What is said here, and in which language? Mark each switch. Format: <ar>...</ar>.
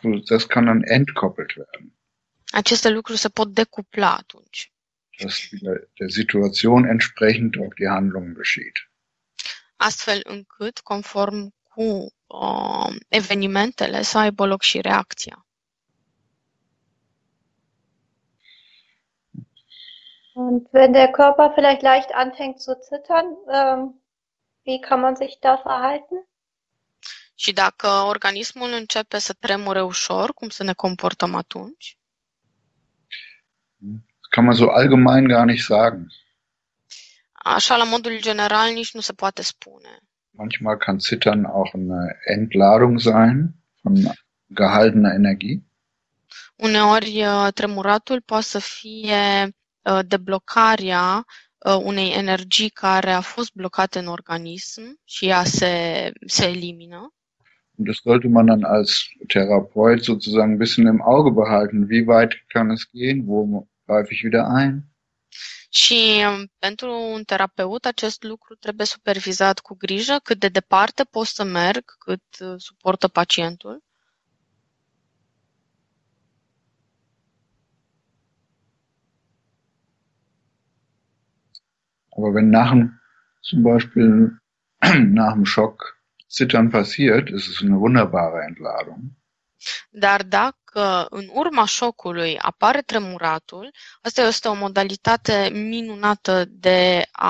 <de>das kann dann entkoppelt werden.</de> <ro>aceste lucruri se pot decupla atunci.</ro> <de>dass der Situation entsprechend auch die Handlung geschieht.</de> <ro>Astfel încât, conform cu evenimentele, să aibă loc și reacția.</ro> <de>Und wenn der Körper vielleicht leicht anfängt zu zittern, wie kann man sich da verhalten?</de> <ro>Și dacă organismul începe să tremure ușor, cum să ne comportăm atunci?</ro> <de>Das kann man so allgemein gar nicht sagen.</de> <ro>Așa, la modul general, nici nu se poate spune.</ro> <de>Manchmal kann Zittern auch eine Entladung sein von gehaltener Energie.</de> <ro>Uneori, tremuratul poate să fie deblocarea unei energii care a fost blocată în organism și ea se elimină.</ro> <de>Und das sollte man dann als Therapeut sozusagen ein bisschen im Auge behalten. Wie weit kann es gehen? Wo greife ich wieder ein?</de> <ro>Și pentru un terapeut acest lucru trebuie supervizat cu grijă, cât de departe pot să merg, cât suportă pacientul.</ro> <de>Aber wenn nach zum Beispiel nach dem Schock Zittern passiert, ist es eine wunderbare Entladung.</de> <ro>Dar dacă în urma șocului apare tremuratul, asta este o modalitate minunată de</ro>